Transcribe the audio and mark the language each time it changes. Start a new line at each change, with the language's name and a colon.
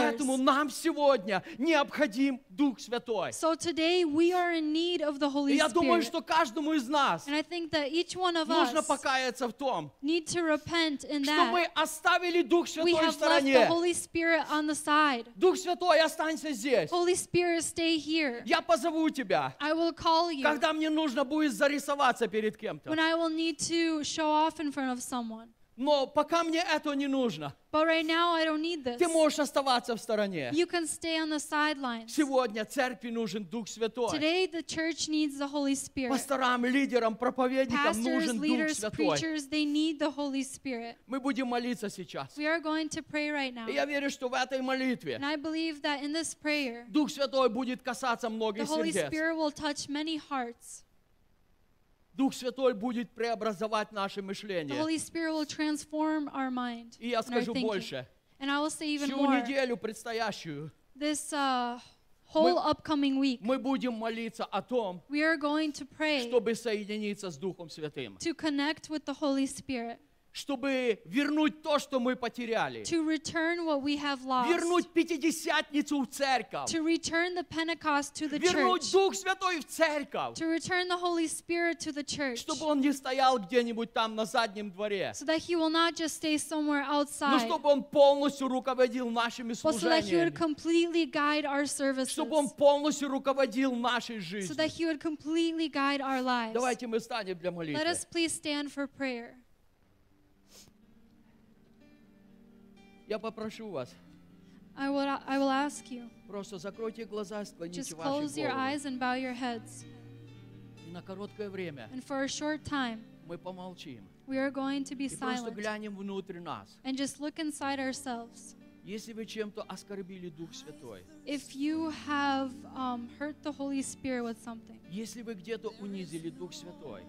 Russian: Поэтому нам сегодня необходим Дух Святой.
English: So today we are in need of the Holy Spirit.
Russian: Я думаю, что каждому из нас,
English: and I think that each one of
Russian: нужно
English: us,
Russian: покаяться в том,
English: need to repent in that.
Russian: Что мы оставили Дух Святой в стороне.
English: We have left the Holy Spirit on the side.
Russian: Дух Святой, останься здесь.
English: Holy Spirit, stay here.
Russian: Я позову тебя.
English: I will call you.
Russian: Когда мне нужно будет зарисоваться перед кем-то.
English: When I will need to show off in front of someone.
Russian: Но пока мне этого не нужно.
English: But right now I don't need this.
Russian: Ты можешь оставаться в стороне.
English: You can stay on the sidelines.
Russian: Сегодня церкви нужен Дух Святой.
English: Today the church needs the Holy Spirit.
Russian: Пасторам, лидерам, проповедникам
English: Pastors,
Russian: нужен
English: leaders,
Russian: Дух Святой.
English: Preachers, they need the Holy Spirit.
Russian: Мы будем молиться сейчас.
English: We are going to pray right now.
Russian: И я верю, что в этой молитве.
English: And I believe that in this prayer.
Russian: Дух Святой будет касаться многих сердец.
English: The Holy
Russian: сердец.
English: Spirit will touch many hearts.
Russian: Дух Святой будет преобразовать наше мышление.
English: The Holy Spirit will transform our mind.
Russian: И я скажу больше.
English: And I will say even more.
Russian: Всю неделю предстоящую.
English: This whole upcoming week.
Russian: Мы будем молиться о том.
English: We are going to pray.
Russian: Чтобы соединиться с Духом Святым.
English: To connect with the Holy Spirit.
Russian: Чтобы вернуть то, что мы потеряли.
English: To return what we have lost.
Russian: Вернуть Пятидесятницу в церковь.
English: To return the Pentecost to the
Russian: вернуть
English: church.
Russian: Дух Святой в церковь.
English: To return the Holy Spirit to the church.
Russian: Чтобы Он не стоял где-нибудь там на заднем дворе.
English: So that He will not just stay somewhere outside.
Russian: Но чтобы Он полностью руководил нашими служениями.
English: But so that He would completely guide our services.
Russian: Чтобы Он полностью руководил нашей жизнью.
English: So that He would completely guide our lives.
Russian: Давайте мы встанем для молитвы.
English: Let us please stand for prayer.
Russian: Я попрошу вас.
English: I will ask you.
Russian: Просто закройте глаза, склоните ваши головы.
English: Just close your eyes and bow your heads.
Russian: И на короткое время.
English: And for a short time.
Russian: Мы помолчим.
English: We are going to be silent.
Russian: И просто глянем внутрь нас.
English: And just look inside ourselves.
Russian: Если вы чем-то оскорбили Дух Святой.
English: If you have hurt the Holy Spirit with something.
Russian: Если вы где-то унизили Дух Святой.